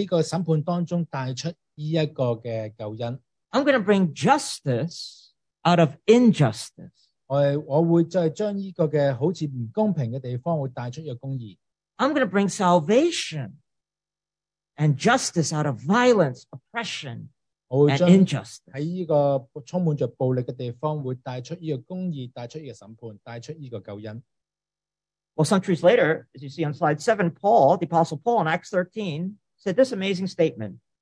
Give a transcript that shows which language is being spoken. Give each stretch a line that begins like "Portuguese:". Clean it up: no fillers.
Cantonese: 就神会同哈巴谷讲，就话我会将喺个审判当中带出呢一个嘅救恩。
English: I'm going to bring justice out of injustice.
Cantonese: 我会再将呢个嘅好似唔公平嘅地方，会带出一个公义。
English: I'm going to bring salvation and justice out of violence, oppression, and injustice.
Cantonese: 喺呢个充满着暴力嘅地方，会带出呢个公义，带出呢个审判，带出呢个救恩。
English: Well, centuries later, as you see on slide 7, Paul, the Apostle Paul in Acts 13, said this amazing statement.